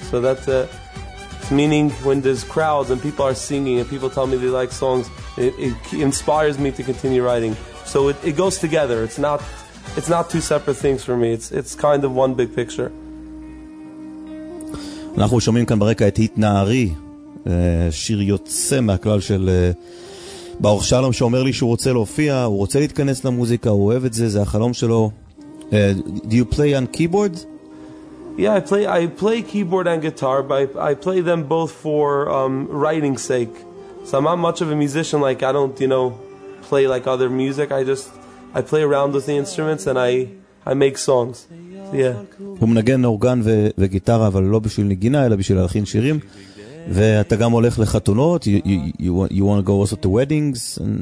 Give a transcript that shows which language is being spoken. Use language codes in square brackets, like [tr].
[en] So that's a, meaning when there's crowds and people are singing and people tell me they like songs, it inspires me to continue writing. So it goes together. It's not two separate things for me. It's kind of one big picture. [he] אנחנו שומעים כאן ברקע את התנערי, שיר יוצא מהכלל של ברוך שלום, שאומר לי שהוא רוצה להופיע, הוא רוצה להתכנס למוזיקה, הוא אוהב את זה, זה החלום שלו. [en] Do you play on keyboard? Yeah, I play keyboard and guitar, but I play them both for writing's sake. So I'm not much of a musician, like I don't, you know, play like other music. I play around with the instruments and I make songs. So, yeah. [he] הוא מנגן אורגן וגיטרה, אבל לא בשביל נגינה, אלא בשביל להלחין שירים. ואתה גם הולך לחתונות? [en] You want to go also to weddings?